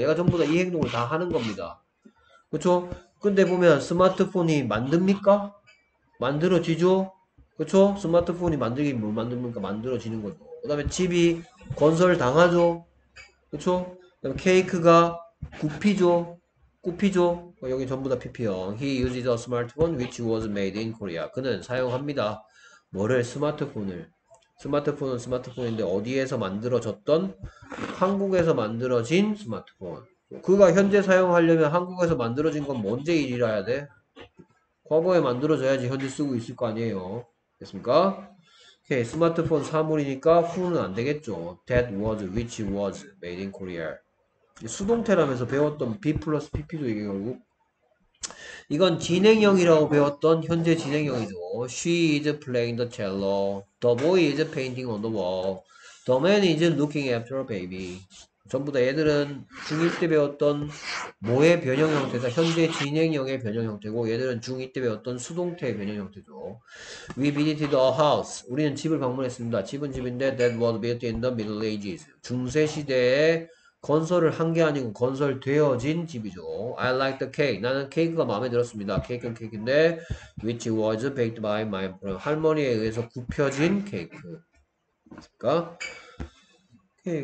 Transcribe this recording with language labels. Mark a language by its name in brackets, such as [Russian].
[Korean] 얘가 전부 다이 행동을 다 하는 겁니다. 그렇죠? 근데 보면 스마트폰이 만듭니까? 만들어지죠. 그렇죠? 스마트폰이 만들긴 뭘 만듭니까? 만들어지는 거죠. 그다음에 집이 건설 당하죠. 그렇죠? 그다음에 케이크가 굽히죠. 꾸피죠? 여기 전부 다 PP형. [English] He uses a smartphone which was made in Korea. [Korean] 그는 사용합니다. 뭐를? 스마트폰을. 스마트폰은 스마트폰인데 어디에서 만들어졌던? 한국에서 만들어진 스마트폰. 그가 현재 사용하려면 한국에서 만들어진 건 언제 일이라야 돼? 과거에 만들어져야지 현재 쓰고 있을 거 아니에요. 됐습니까? 오케이, 스마트폰 사물이니까 who는 안 되겠죠. [English] That was which was made in Korea. [Korean] 수동태라면서 배웠던 be 플러스 pp죠, 이게 결국. 이건 진행형이라고 배웠던 현재 진행형이죠. [English] She is playing the cello. The boy is painting on the wall. The man is looking after a baby. [Korean] 전부 다 얘들은 중1 때 배웠던 뭐의 변형 형태다. 현재 진행형의 변형 형태고, 얘들은 중2 때 배웠던 수동태의 변형 형태죠. [English] We visited a house. [Korean] 우리는 집을 방문했습니다. 집은 집인데, [English] that was built in the Middle Ages. [Korean] 중세 시대에 건설을 한게 아니고 건설되어진 집이죠. [English] I like the cake. [Korean] 나는 케이크가 마음에 들었습니다. 케이크는 케이크인데, [English] which was baked by my [Korean] 할머니에 의해서 굽혀진 케이크. 그니까. 오케이.